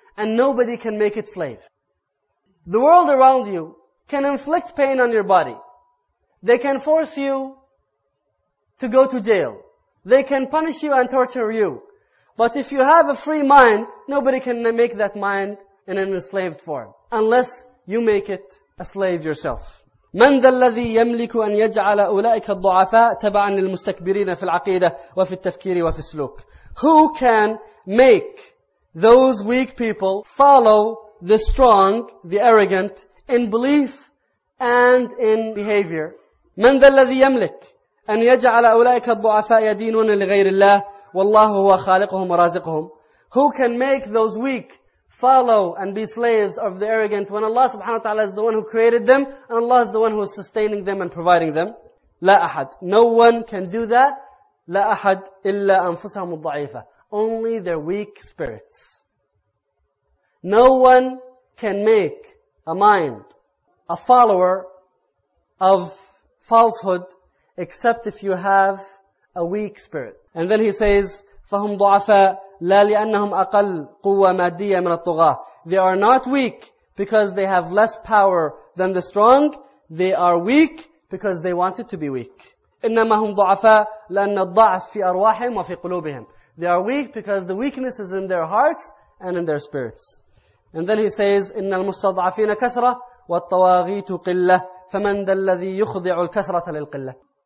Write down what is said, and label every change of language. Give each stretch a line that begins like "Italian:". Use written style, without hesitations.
English: And nobody can make it slave. The world around you can inflict pain on your body. They can force you to go to jail. They can punish you and torture you. But if you have a free mind, nobody can make that mind in an enslaved form. Unless you make it a slave yourself.
Arabic: من ذا الذي يملك أن يجعل أولئك الضعفاء تبعا للمستكبرين في العقيدة وفي التفكير وفي السلوك.
English: Who can make those weak people follow the strong, the arrogant, in belief and in behavior?
Arabic: من ذا الذي يملك أن يجعل أولئك الضعفاء يدينون لغير الله والله هو خالقهم ورازقهم.
English: Who can make those weak follow and be slaves of the arrogant when Allah subhanahu wa ta'ala is the one who created them and Allah is the one who is sustaining them and providing them?
Arabic: لا أحد.
English: No one can do that.
Arabic: لا أحد إلا أنفسهم الضعيفة.
English: Only their weak spirits. No one can make a mind a follower of falsehood except if you have a weak spirit. And then he says,
Arabic: فهم ضعفاء لا لأنهم أقل قوة مادية من الطغاة.
English: They are not weak because they have less power than the strong. They are weak because they wanted to be weak.
Arabic: إنما هم ضعفاء لأن الضعف في أرواحهم وفي قلوبهم.
English: They are weak because the weakness is in their hearts and in their spirits. And then he says,
Arabic: إن المستضعفين كثرة والطواغيت قلة فمن ذا الذي يخضع الكثرة للقلة.